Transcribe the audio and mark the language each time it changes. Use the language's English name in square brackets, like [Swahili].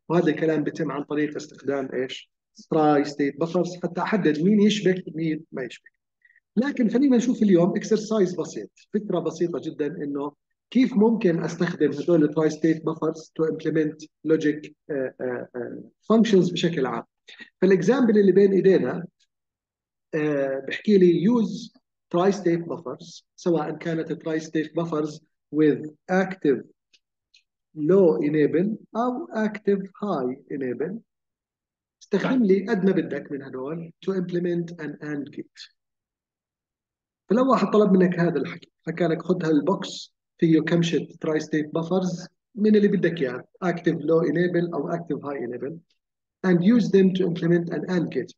[Arabic] وهذا الكلام بيتم عن طريق استخدام ايش؟ تراي ستيت بفرز، حتى احدد مين يشبك مين ما يشبك. لكن خلينا نشوف اليوم اكسرسايز بسيط، فكره بسيطه جدا، انه كيف ممكن استخدم هذول التراي ستيت بفرز [English] to implement logic functions [Arabic] بشكل عام. فالاكزامبل اللي بين ايدينا بحكي لي [English] use try state buffers، [Arabic] سواء كانت [English] try state buffers with active low enable أو active high enable. [Arabic] استخدم لي أدنى بدك من هدول [English] to implement an AND gate. [Arabic] فلو واحد طلب منك هذا الحكي حكى لك خذ هالبوكس فيه كم شت try state buffers من اللي بدك إياه، يعني [English] active low enable [Arabic] أو [English] active high enable، and use them to implement an AND gate.